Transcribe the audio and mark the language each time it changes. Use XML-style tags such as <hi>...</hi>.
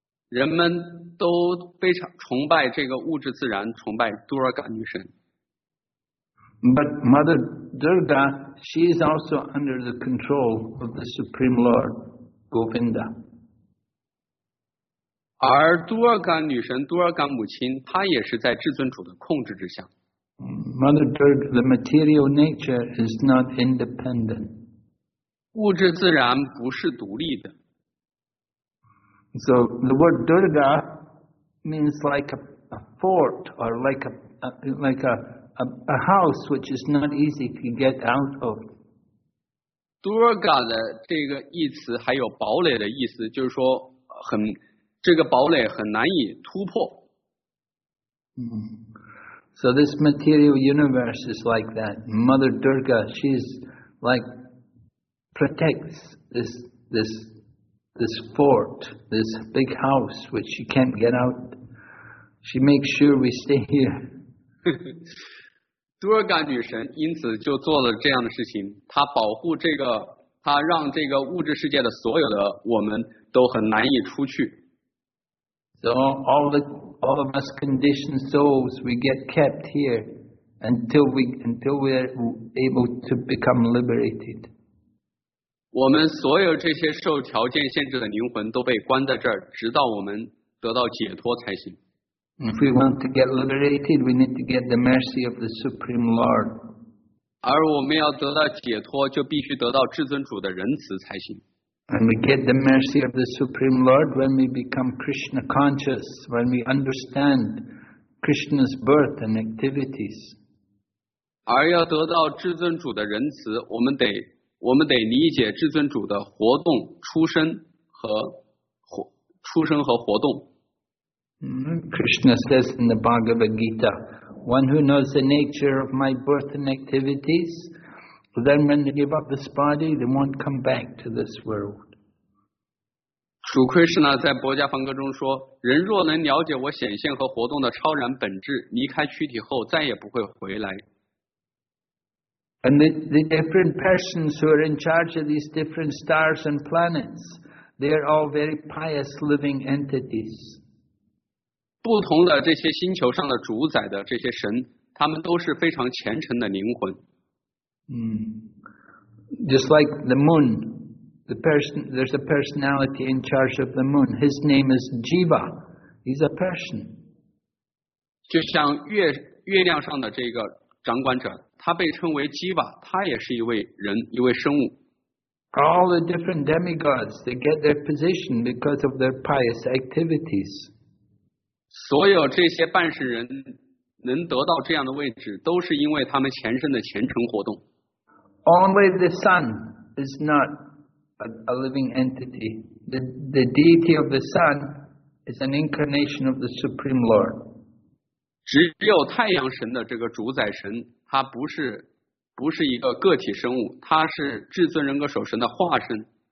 <zh>人们都非常崇拜这个物质自然，崇拜 Durga 女神。</zh> <en>But Mother Durga, she is also under the control of the Supreme Lord, Govinda.</en> <zh>而杜尔嘎女神、杜尔嘎母亲，她也是在至尊主的控制之下。</zh> <en>Mother Durga, the material nature is not independent.</en> <zh>物质自然不是独立的。</zh> <en>So the word Durga means like a fort or like a house which is not easy to get out of.</en> <zh>Durga 的这个意思还有堡垒的意思，就是说很这个堡垒很难以突破。</zh> <en>So this material universe is like that. Mother Durga, she's like protects this fort, this big house which she can't get out. She makes sure we stay here.</en> <zh>Durga 女神因此就做了这样的事情，她保护这个，她让这个物质世界的所有的我们都很难以出去。</zh> <en>So all of us conditioned souls, we get kept here until we are able to become liberated.</en> <zh>我们所有这些受条件限制的灵魂都被关在这儿，直到我们得到解脱才行。</zh> <en>If we want to get liberated, we need to get the mercy of the Supreme Lord.</en> <zh>而我们要得到解脱，就必须得到至尊主的仁慈才行。</zh> <en>And we get the mercy of the Supreme Lord when we become Krishna conscious, when we understand Krishna's birth and activities.</en> <zh>而要得到至尊主的仁慈，我们得理解至尊主的活动、出生和活动。</zh> <en>Krishna says in the Bhagavad Gita, one who knows the nature of my birth and activities, then when they give up this body, they won't come back to this world.</en> <zh>主 Krishna 在《薄伽梵歌》中说，人若能了解我显现和活动的超然本质，离开躯体后再也不会回来。</zh> <en>And the different persons who are in charge of these different stars and planets, they are all very pious living entities.</en> <zh>不同的这些星球上的主宰的这些神，他们都是非常虔诚的灵魂。</zh> <en>Just like the moon, there's a personality in charge of the moon. His name is Jiva. He's a person.</en> <zh>就像月亮上的这个掌管者，他被称为 Jiva， 他也是一位人，一位生物。</zh> <en>All the different demigods, they get their position because of their pious activities.</en> <zh>所有这些半世人能得到这样的位置，都是因为他们前身的虔诚活动。</zh> <en>Only the sun is not a living entity. The deity of the sun is an incarnation of the Supreme Lord.</en> <zh>只有太阳神的这个主宰神，他不是一个个体生物，他是至尊人格守神的化身。</zh>